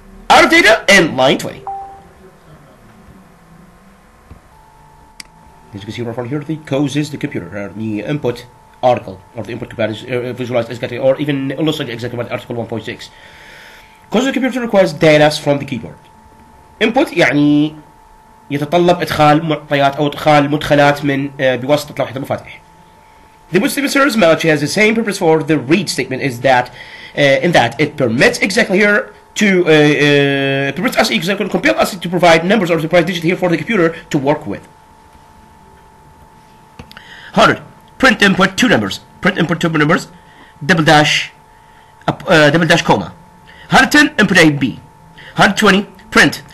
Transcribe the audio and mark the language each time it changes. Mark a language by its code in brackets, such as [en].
[en] Out of data, and line 20. As you can see, right from here, the causes the computer, or the input article, or the input command is visualized exactly, or even looks exactly like article 1.6. Causes the computer to request data from the keyboard. [ar] Input يعني يتطلب إدخال معطيات أو إدخال مدخلات من بواسطة لوحة المفاتيح. [en] The input statement serves much has the same purpose for the read statement is that in that it permits exactly here to permits us exactly compel us to provide numbers or surprise digits here for the computer to work with. 100. Print input two numbers. Print input two numbers. Double dash comma. 110. Input A and B. 120. Print.